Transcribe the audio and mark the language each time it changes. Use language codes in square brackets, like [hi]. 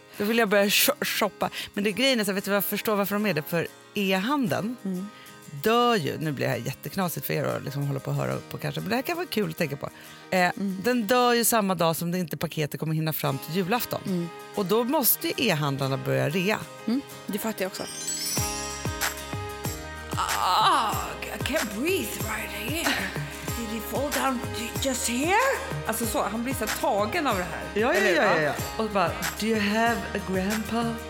[sv] Då vill jag börja shoppa. Men det grejen är så, vet du vad jag förstår varför de är det? För e-handeln dör ju, nu blir det här jätteknasigt för er att liksom hålla på och höra på kanske, men det här kan vara kul att tänka på. Den dör ju samma dag som det inte paketet kommer hinna fram till julafton. Och då måste ju e-handlarna börja rea. Det fattar jag också. [en] Oh, I can't breathe right here. Did he fall down just here? [sv] Alltså så, han blir så tagen av det här. Ja. Och bara, [en] do you have a grandpa?